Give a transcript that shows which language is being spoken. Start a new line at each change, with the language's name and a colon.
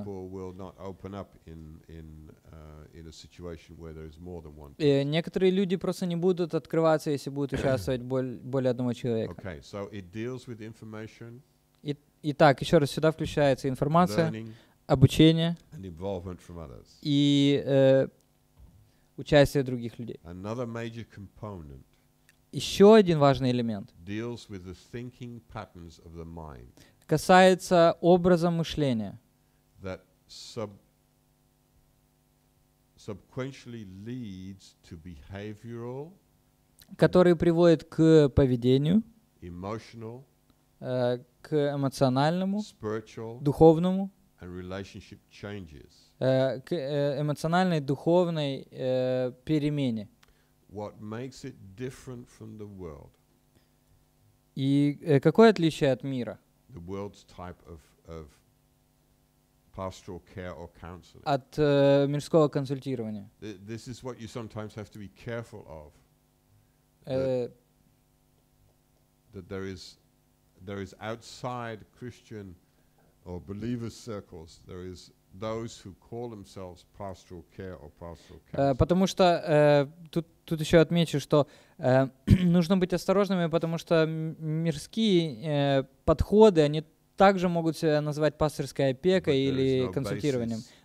English: People will not open up in a situation where there is more than one.
Russian: Некоторые люди просто не будут открываться, если будут участвовать более одного человека.
English: Okay, so it deals with information.
Russian: Итак, еще раз, сюда включается информация.
English: Learning,
Russian: обучение
English: and involvement from others.
Russian: И участие других людей.
English: Another major component
Russian: еще один важный элемент
English: deals with the thinking patterns of the mind,
Russian: касается образа мышления,
English: that subsequently leads to behavioral,
Russian: который приводит к поведению,
English: emotional,
Russian: к эмоциональному,
English: spiritual,
Russian: духовному,
English: and relationship changes.
Russian: К эмоциональной, духовной перемене.
English: What makes it different from the world?
Russian: И какое отличие от мира?
English: The world's type of pastoral care or counseling.
Russian: От мирского консультирования.
English: This is what you sometimes have to be careful of. That there is outside Christian or believer circles, there is those who call themselves pastoral care or pastoral counseling.
Russian: Потому что тут еще отмечу, что нужно быть осторожными, потому что мирские подходы, они также могут себя назвать пасторской опекой или консультированием.